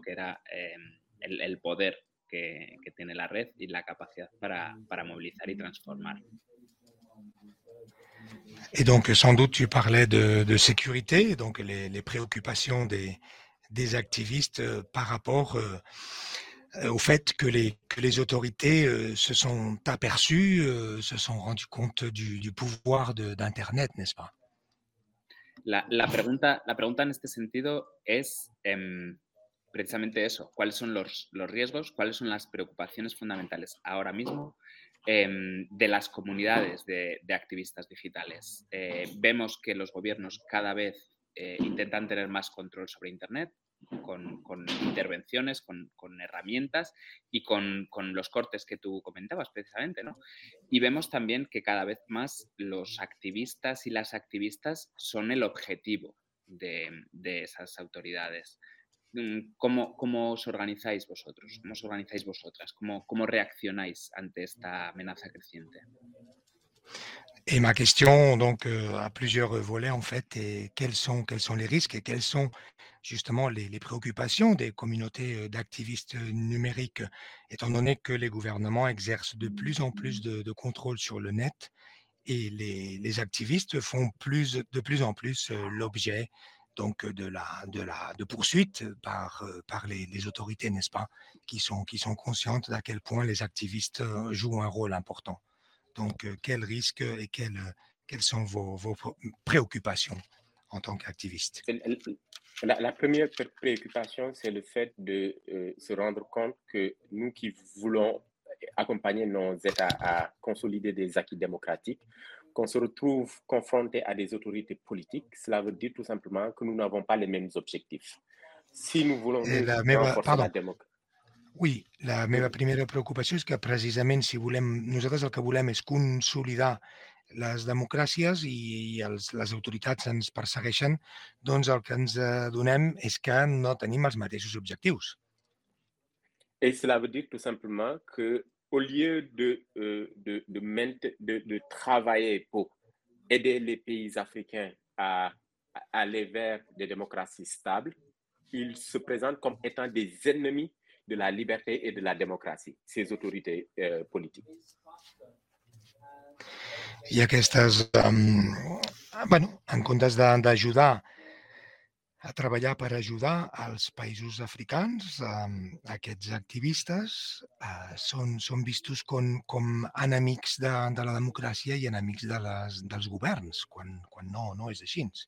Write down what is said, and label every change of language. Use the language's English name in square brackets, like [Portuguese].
[Spanish] Que era el poder que tiene la red y la capacidad para movilizar y transformar. [French] Et donc, sans doute, tu parlais de sécurité, donc les préoccupations des activistes par rapport au fait que les autorités se sont aperçues, se sont rendues compte du pouvoir d'Internet, n'est-ce pas? [Spanish] La pregunta en este sentido es precisamente eso. ¿Cuáles son los riesgos? ¿Cuáles son las preocupaciones fundamentales ahora mismo de las comunidades de activistas digitales? Vemos que los gobiernos cada vez intentan tener más control sobre Internet con intervenciones, con herramientas y con los cortes que tú comentabas precisamente, ¿no? Y vemos también que cada vez más los activistas y las activistas son el objetivo de esas autoridades. ¿Cómo os organizáis vosotros? ¿Cómo os organizáis vosotras? ¿Cómo reaccionáis ante esta amenaza creciente? [French] Et ma question, donc, à plusieurs volets, en fait, est quels sont les risques et quelles sont justement les préoccupations des communautés d'activistes numériques, étant donné que les gouvernements exercent de plus en plus de contrôle sur le net et les activistes font de plus en plus l'objet donc de poursuites par les autorités, n'est-ce pas, qui sont conscientes d'à quel point les activistes jouent un rôle important. Donc, quels risques et quelles sont vos préoccupations en tant qu'activiste? La première préoccupation, c'est le fait de se rendre compte que nous qui voulons accompagner nos États à consolider des acquis démocratiques, qu'on se retrouve confronté à des autorités politiques, cela veut dire tout simplement que nous n'avons pas les mêmes objectifs. Si nous voulons renforcer la démocratie. [Catalan] Oui, la meva primera preocupació és que precisament si volem, nosaltres el que volem és consolidar les democràcies i les autoritats ens persegueixen, doncs el que ens adonem és que no tenim els mateixos objectius. [French] Et cela veut dire tout simplement que au lieu de travailler pour aider les pays africains à aller vers des démocraties stables, ils se présentent comme étant des ennemis de la liberté et de la démocratie, ces autorités politiques. [Catalan] I aquestes, en comptes d'ajudar a treballar per ajudar els països africans, aquests activistes són vistos com enemics de la democràcia i enemics dels governs, quan no és així.